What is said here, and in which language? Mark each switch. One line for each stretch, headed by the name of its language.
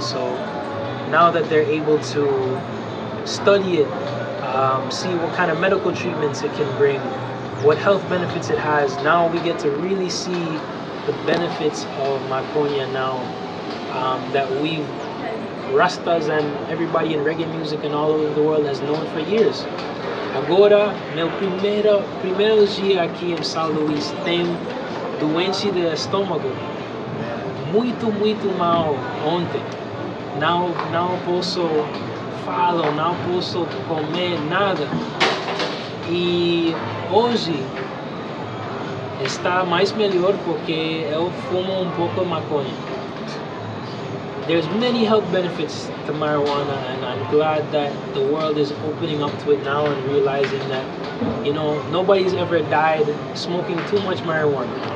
English: So now that they're able to study it, see what kind of medical treatments it can bring, what health benefits it has, now we get to really see the benefits of maconha now, that we've Rastas and everybody in reggae music and all over the world has known for years.
Portuguese: Agora, meu primeiro dia aqui em São Luís, tem doente de estômago. Muito, muito mal ontem. Não posso falar, não posso comer nada. E hoje está mais melhor porque eu fumo um pouco de maconha.
English: there's many health benefits to marijuana, and I'm glad that the world is opening up to it now and realizing that, you know, nobody's ever died smoking too much marijuana.